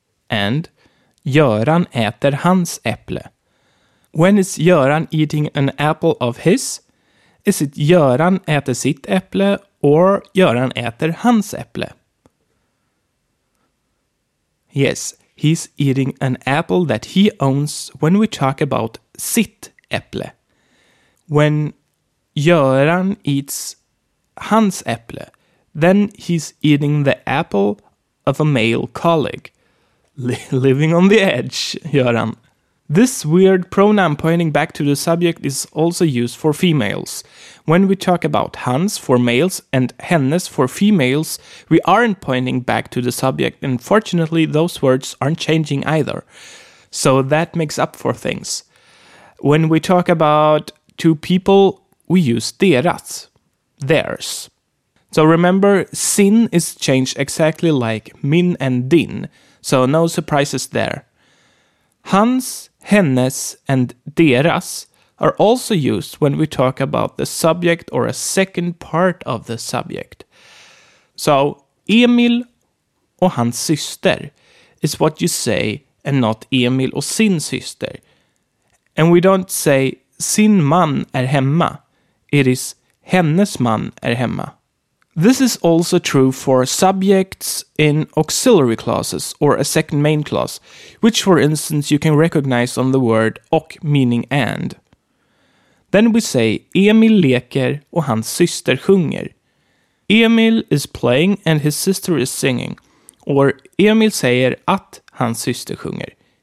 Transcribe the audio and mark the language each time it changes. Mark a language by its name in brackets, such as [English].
[English] And [Swedish] Göran äter hans äpple. [English] When is Göran eating an apple of his? Is it [Swedish] Göran äter sitt äpple [English] or [Swedish] Göran äter hans äpple? [English] Yes, he's eating an apple that he owns when we talk about [Swedish] sitt äpple. [English] When Göran eats [Swedish] hans äpple, [English] then he's eating the apple of a male colleague. Living on the edge, Göran. This weird pronoun pointing back to the subject is also used for females. When we talk about hans for males and hennes for females, we aren't pointing back to the subject, and fortunately those words aren't changing either. So that makes up for things. When we talk about two people, we use deras, theirs. So remember, sin is changed exactly like min and din, so no surprises there. Hans, hennes, and deras are also used when we talk about the subject or a second part of the subject. So, [Swedish] Emil och hans syster [English] is what you say, and not [Swedish] Emil och sin syster. [English] And we don't say, [Swedish] sin man är hemma. [English] It is, [Swedish] hennes man är hemma. [English] This is also true for subjects in auxiliary clauses or a second main clause, which for instance you can recognize on the word och meaning and. Then we say [Swedish] Emil leker och hans syster sjunger. [English] Emil is playing and his sister is singing. Or [Swedish] Emil säger att hans syster sjunger.